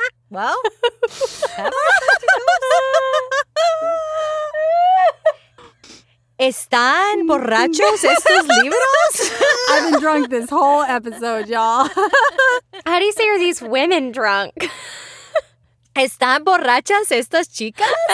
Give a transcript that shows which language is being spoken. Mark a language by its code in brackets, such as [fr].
[es] Well, ¿están borrachos estos libros? [en] I've been drunk this whole episode, y'all. How do you say, are these women drunk? [es] ¿Están borrachas estas chicas?